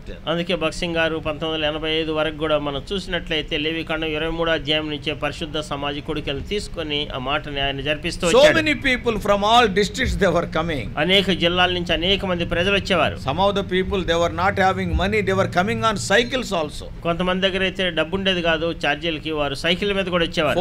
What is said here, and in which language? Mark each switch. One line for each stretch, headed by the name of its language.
Telugu: అందుకే బక్సింగ్ గారు 1985 వరకు కూడా మనం చూసినట్లయితే లేవి కాండం 23 అధ్యాయం నుంచే పరిశుద్ధ సమాజ కొడుకెలు తీసుకుని ఆ మాటని ఆయన జరిపిస్తూ వచ్చారు.
English: So many people from all districts they were coming.
Telugu: అనేక జిల్లాల నుంచి అనేక మంది ప్రజలు వచ్చేవారు.
English: Some of the people they were not having money, they were coming on cycles also.
Telugu: కొంతమంది దగ్గర అయితే డబ్బు ఉండేది కాదు, ఛార్జీలకి వారు సైకిల్ మీద కూడా వచ్చేవారు.